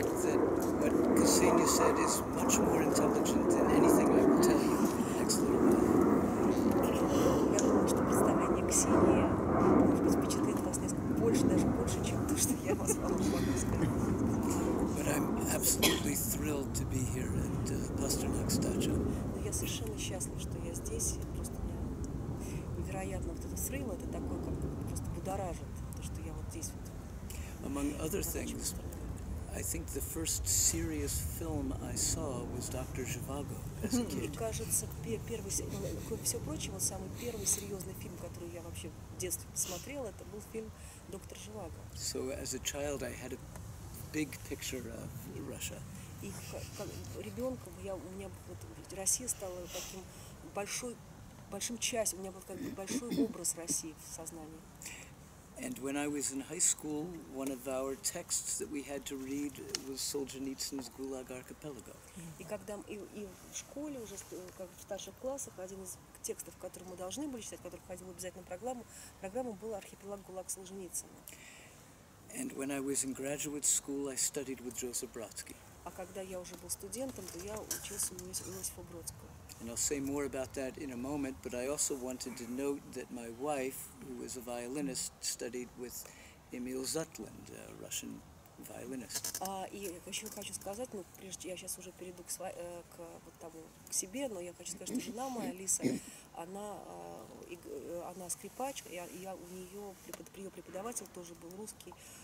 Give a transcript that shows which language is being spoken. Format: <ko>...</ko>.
<en>suspect that what Ksenia said is much more intelligent than anything I will tell you in the next little while.</en> <ru>Я думаю, что представление Ксении, может быть, впечатлит вас несколько больше, даже больше, чем то, что я вас вам могу сказать.</ru> <en>But I'm absolutely thrilled to be here at Pasternak's dacha.</en> <ru>Но я совершенно счастлив, что я здесь. Я просто меня невероятно вот этот thrill, это такое, как просто будоражит, то, что я вот здесь вот.</ru> <en>Among other things, I think the first serious film I saw was Dr. Zhivago as a kid.</en> <ru>Кажется, первый, все прочее, вот самый первый серьезный фильм, который я вообще в детстве посмотрел, это был фильм «Доктор Живаго».</ru> <en>So as a child, I had a big picture of Russia.</en> <ru>И ребенком я у меня вот Россия стала таким большой, большим частью. У меня был как бы большой образ России в сознании.</ru> <en>And when I was in high school, one of our texts that we had to read was Solzhenitsyn's Gulag Archipelago.</en> <ru>И когда и в школе уже как в старших классах один из текстов, который мы должны были читать, который входил обязательно в программу, был архипелаг Гулаг Солженицына.</ru> <en>And when I was in graduate school, I studied with Joseph Brodsky.</en> <ru>А когда я уже был студентом, то я учился у Иосифа Бродского.</ru> <en>And I'll say more about that in a moment, but I also wanted to note that my wife, who is a violinist, studied with Emil Zutland, a Russian violinist.</en> <ru>И еще хочу сказать, ну, прежде я сейчас уже перейду к себе, но я хочу сказать, что жена моя, Лиса, она скрипачка, ее преподаватель тоже был русский.</ru>